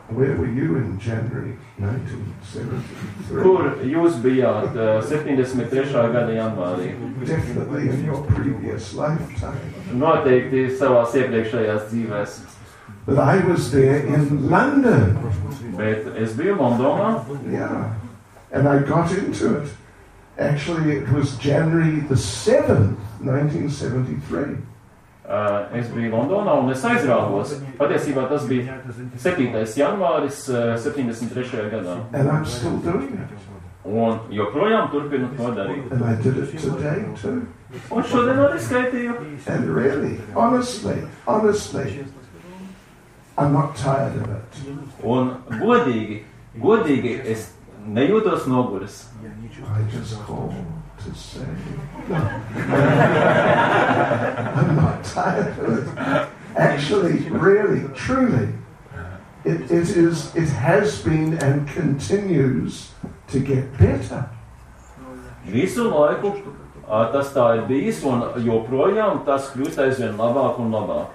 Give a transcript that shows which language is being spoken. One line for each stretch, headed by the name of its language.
English: Where were you in January 1973?
Latvian: Kur jūs bijāt 73. Gada janvārī?
English: Definitely in your previous lifetime.
Latvian: Noteikti savās iepriekšējās dzīvēs.
English: But I was there in London.
Latvian: Bet es biju Londonā.
English: Yeah. And I got into it. Actually, it was January the 7th, 1973.
Latvian: Es biju Londonā un es aizrāvos. Patiesībā tas bija 7. Janvāris 73. Gadā.
English: And I'm still doing it.
Latvian: Un joprojām turpinu to darīt.
English: And I did it today too.
Latvian: Un šodien arī skaitīju.
English: And really, honestly, I'm not tired of it.
Latvian: Un godīgi es nejūtos noguris.
English: I just call to say, no. I'm not tired of it. Actually, really, truly, it has been and continues to get better.
Latvian: Visu laiku tas tā ir bijis, un joprojām tas kļūst aizvien labāk un labāk.